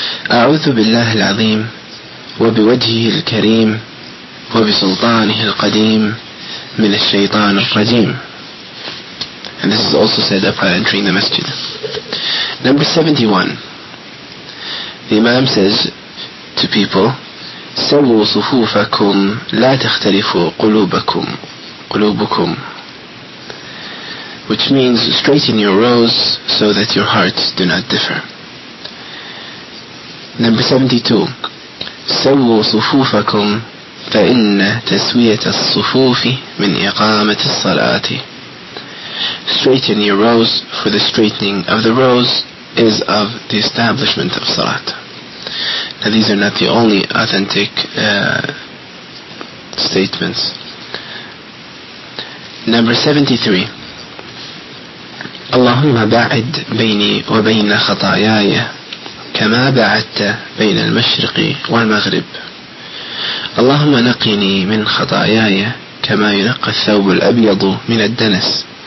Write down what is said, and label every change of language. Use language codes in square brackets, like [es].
[ar] أعوذ بالله العظيم وبوجهه الكريم وبسلطانه القديم من الشيطان الرجيم. [en] And this is also said upon entering the masjid. Number 71. The Imam says to people, [ar] سووا صفوفكم لا تختلفوا قلوبكم. [en] which means straighten your rows so that your hearts do not differ. Number 72, [ar] سووا صفوفكم فإن تسوية الصفوف من إقامة الصلاة. [en] Straighten your rows, for the straightening of the rows is of the establishment of salat. Now these are not the only authentic statements. Number 73. [ar] اللهم بعد بيني وبين خطاياي كما بعدت بين المشرق والمغرب. اللهم نقني من خطاياي كما ينقى الثوب الأبيض من الدنس.